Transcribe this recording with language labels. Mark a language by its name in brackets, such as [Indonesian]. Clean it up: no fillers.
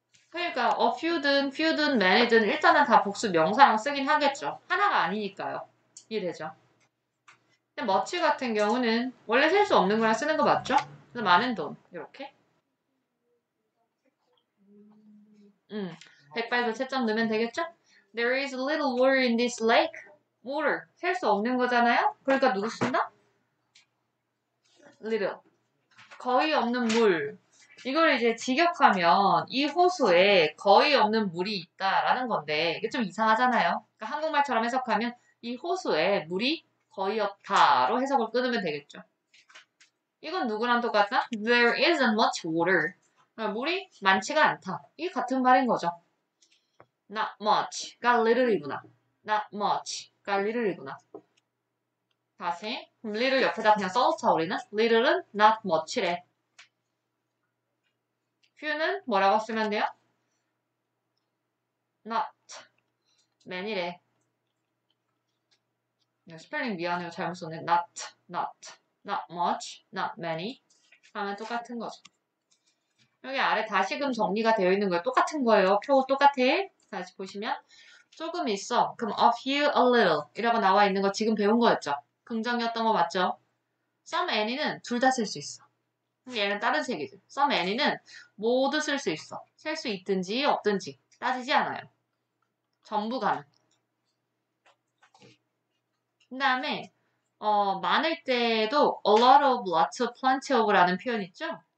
[Korean] 그러니까 a few든 few든 many든 일단은 다 복수 명사랑 쓰긴 하겠죠. 하나가 아니니까요. 이해되죠? 근데 much 같은 경우는 원래 셀수 없는 거랑 쓰는 거 맞죠? 그래서 많은 돈 이렇게 백발도 채점 넣으면 되겠죠? [English] There is little water in this lake. [Korean] Water. 셀수 없는 거잖아요? 그러니까 누구 쓴다? Little. 거의 없는 물. 이걸 이제 직역하면 이 호수에 거의 없는 물이 있다라는 건데, 이게 좀 이상하잖아요? 그러니까 한국말처럼 해석하면 이 호수에 물이 거의 없다로 해석을 끊으면 되겠죠? 이건 누구랑 똑같다? [English] There isn't much water. [Korean] 물이 많지가 않다. 이게 같은 말인 거죠. Not much가 little이구나. Not much가 little이구나. 다시 little 옆에다 그냥 써놓자 우리는. little은 not much래. few는 뭐라고 쓰면 돼요? not many래. 스펠링 미안해요. 잘못 썼네. not much, not many 하면 똑같은 거죠. 여기 아래 다시금 정리가 되어 있는 거예요. 똑같은 거예요. 표고 똑같아. 다시 보시면 조금 있어. 그럼 a few, a little 이라고 나와 있는 거 지금 배운 거였죠? 긍정이었던 거 맞죠? some any는 둘다쓸수 있어. 얘는 다른 색이죠. some any는 모두 쓸수 있어. 쓸수 있든지 없든지 따지지 않아요. 전부 가능. 그다음에 많을 때에도 a lot of, lots of, plenty of라는 표현 있죠?